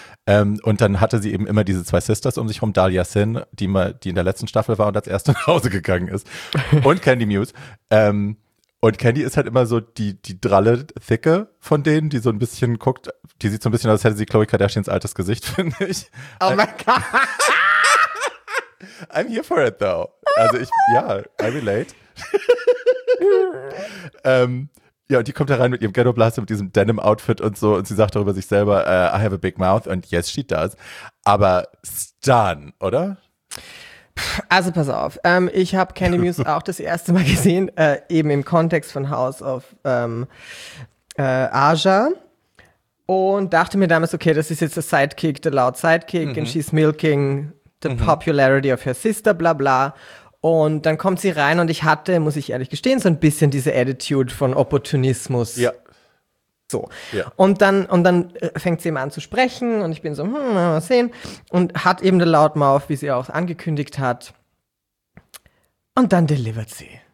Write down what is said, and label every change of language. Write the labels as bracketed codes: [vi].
[de] Und dann hatte sie eben immer diese 2 Sisters um sich rum, Dahlia Sin, die in der letzten Staffel war und als erste nach Hause gegangen ist. Und Candy Muse. Und Candy ist halt immer so die dralle Thicke von denen, die so ein bisschen guckt, die sieht so ein bisschen aus, als hätte sie Khloe Kardashians altes Gesicht, finde ich. Oh mein Gott. [en] I'm here for it though. [de] Also ich, ja, [en] I relate. [de] Ja, und die kommt da rein mit ihrem Ghetto-Blaster, mit diesem Denim-Outfit und so. Und sie sagt darüber sich selber, [en] I have a big mouth. [de] Und [en] yes, she does. [de] Aber Stan, oder? Also pass auf, ich habe Candy Muse auch das erste Mal gesehen, eben im Kontext von House of Aja. Und dachte mir damals, okay, das ist jetzt der Sidekick, der loud Sidekick. [en] Mhm. And she's milking the popularity of her sister, bla bla. [de] Und dann kommt sie rein und ich hatte, muss ich ehrlich gestehen, so ein bisschen diese Attitude von Opportunismus. Ja. So. Ja. Und dann fängt sie eben an zu sprechen und ich bin so, mal sehen. Und hat eben der Loudmouth, wie sie auch angekündigt hat. Und dann delivered sie.